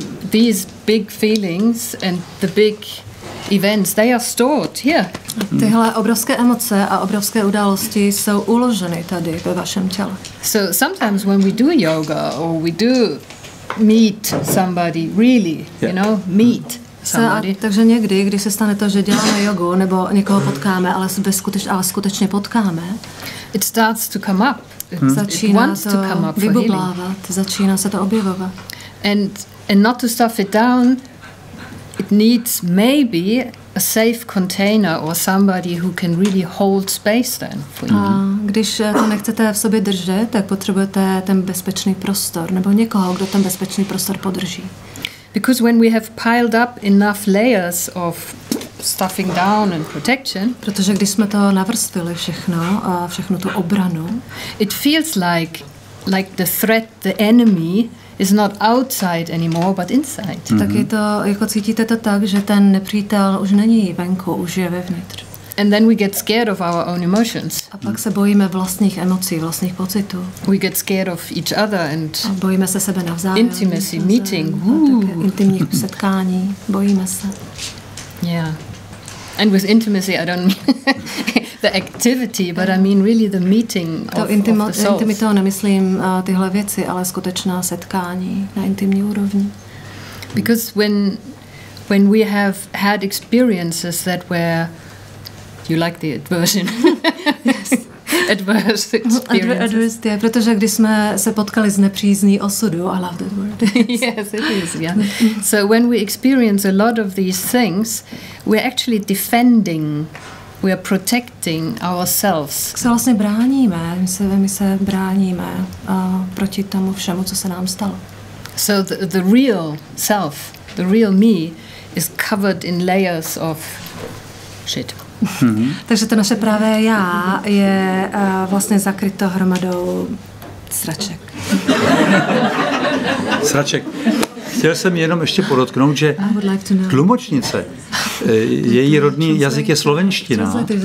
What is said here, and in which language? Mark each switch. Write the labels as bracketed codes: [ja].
[en] These big feelings and the big events, they are stored here. [cs] Tyhle obrovské emoce a obrovské události jsou uloženy tady ve vašem těle. [en] So sometimes when we do yoga or we do meet somebody really, you know, meet somebody. [cs] Takže někdy, když se stane to, že děláme jogu nebo někoho potkáme, ale skutečně potkáme, [en] it starts to come up. [cs] Začíná to vybublávat, začíná se to objevovat. [en] And not to stuff it down, it needs maybe a safe container or somebody who can really hold space then for you. [cs] A když to nechcete v sobě držet, tak potřebujete ten bezpečný prostor nebo někoho, kdo ten bezpečný prostor podrží. [en] Because when we have piled up enough layers of stuffing down and protection, [cs] protože když jsme to navrstvili všechno a všechnu tu obranu, [en] it feels like the threat, the enemy is not outside anymore, but inside. Mm-hmm. [cs] Tak je to, jako cítíte to tak, že ten nepřítel už není venku, už je vevnitř. [en] And then we get scared of our own emotions. [cs] A pak se bojíme vlastních emocí, vlastních pocitů. [en] We get scared of each other and [cs] bojíme se sebe navzájem. [en] Intimacy, meeting, [cs] intimních setkání, bojíme se. [en] Yeah. And with intimacy, I don't mean the activity, but I mean really the meeting to of the souls. [cs] Intimita, nemyslím tyhle věci, ale skutečná setkání na intimní úrovni. [en] Because when we have had experiences that were you like the adversion. [cs] Adverse, protože když jsme se potkali s nepřízní osudu, [en] I love that word. Yes, it is, yeah. So when we experience a lot of these things, we're actually defending, we are protecting ourselves. [cs] Se vlastně bráníme, my se bráníme proti tomu všemu, co se nám stalo. [en] So the real self, the real me, is covered in layers of shit. Mm-hmm. [cs] Takže to naše pravé já je vlastně zakryto hromadou sraček. Sraček. Chtěl jsem jenom ještě podotknout, že tlumočnice, její rodný jazyk je slovenština.